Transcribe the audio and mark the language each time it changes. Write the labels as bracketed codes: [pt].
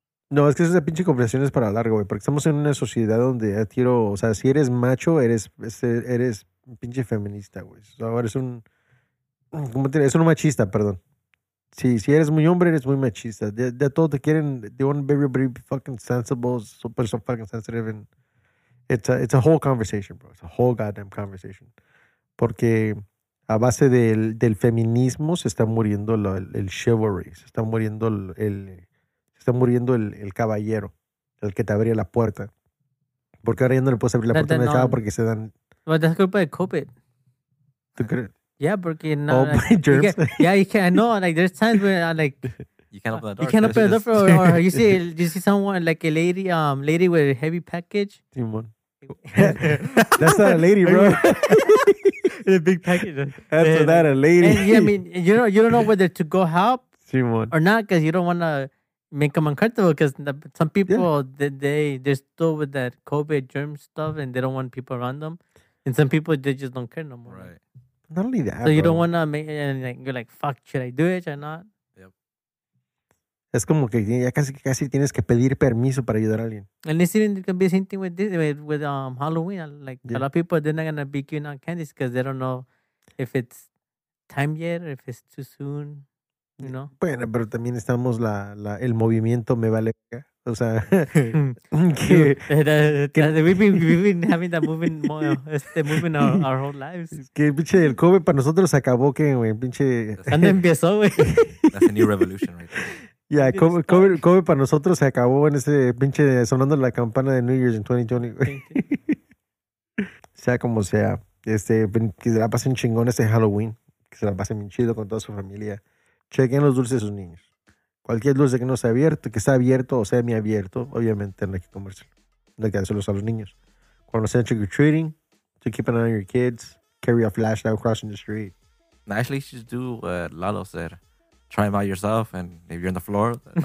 [es] No, es que esa pinche conversación es para largo, güey. Porque estamos en una sociedad donde ya tiro... O sea, si eres macho, eres un pinche feminista, güey. O sea, eres un... ¿Cómo te digo? Es un machista, perdón. Sí, si eres muy hombre, eres muy machista. De todo te quieren... [en] They want everybody to be fucking sensible, super so fucking sensitive. And it's a whole conversation, bro. It's a whole goddamn conversation. [es] Porque a base del feminismo se está muriendo el chivalry. Se está muriendo el caballero, el que te abría la puerta. Porque ahora ya no le puedes abrir la puerta a una chava porque se dan... Pero es culpa de COVID. ¿Tú crees? Yeah, porque [en] no. Oh, like, germs. You can. I know. Like, there's times when like you can't open the door. You can't open the door, or you see someone like a lady with a heavy package. That's not a lady, bro. A big package. That's not a lady. And, yeah, I mean, you don't know whether to go help Simon or not because you don't want to make them uncomfortable. Because some people they're still with that COVID germ stuff and they don't want people around them, and some people they just don't care no more. Right. Not only that, so you bro. Don't want to make it and like, you're like, fuck, should I do it or not? Yep. [es] Es como que ya casi tienes que pedir permiso para ayudar a alguien. [en] And this even can be the same thing with this, with Halloween. Like, a lot of people, they're not going to be giving out candies because they don't know if it's time yet or if it's too soon, you know? [es] Bueno, pero también estamos el movimiento me vale. O sea, [en] we've been having that moving, moving our whole lives. [es] Que pinche el COVID para nosotros acabó, que güey, pinche. ¿Cuándo empezó, güey? [en] That's a new revolution, right? [es] Yeah, COVID para nosotros se acabó en ese pinche sonando la campana de New Year's en 2020, güey. Sea como sea, que se la pasen chingón ese Halloween, que se la pasen bien chido con toda su familia. Chequen los dulces de sus niños. Cualquier dulce que no sea abierto, que sea abierto o semiabierto, obviamente no hay que comérselo. No hay que dárselos a los niños. Cuando sean [en] trick-or-treating, to keep an eye on your kids, carry a flashlight crossing the street. Actually, you should do what Lalo said. Try them out yourself, and if you're on the floor...